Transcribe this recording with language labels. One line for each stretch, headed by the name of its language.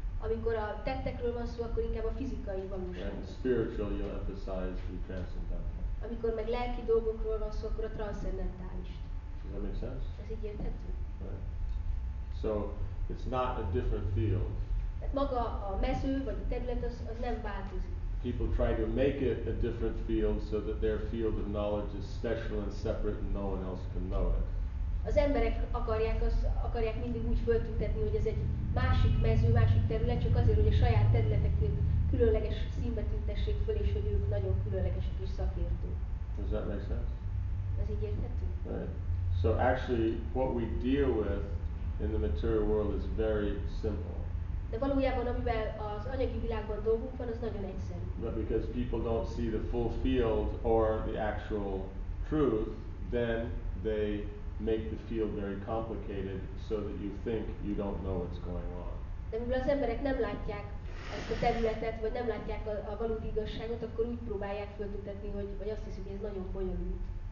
Hungarian: Amikor a tettekről van szó, akkor inkább a fizikai valóság.
English: And spiritual, you'll emphasize the transcendental.
Hungarian: Amikor meg lelki dolgokról van szó, akkor a transzcendentális.
English: Does that make sense?
Hungarian: Ez így érthető.
English: Right. So, it's not a different field.
Hungarian: Tehát maga a mező, vagy a terület, az nem változik.
English: People try to make it a different field so that their field of knowledge is special and separate and no one else can know it.
Hungarian: Az emberek akarják mindig úgy föltüntetni, hogy ez egy másik mező, másik terület, csak azért, hogy a saját területeket különleges színbe tüntessék föl, és hogy ők nagyon különlegesek és szakértők.
English: Does that make sense?
Hungarian: Ez így érthető?
English: Right. So actually, what we deal with in the material world is very simple.
Hungarian: De valójában, amivel az anyagi világban dolgunk van, az nagyon egyszerű.
English: But because people don't see the full field or the actual truth, then they make the field very complicated so that you think you don't know what's going on.
Hungarian: De mivel az emberek nem látják ezt a területet, vagy nem látják a valódi igazságot, akkor úgy próbálják feltüntetni, hogy vagy azt hiszik, hogy ez nagyon bonyolult.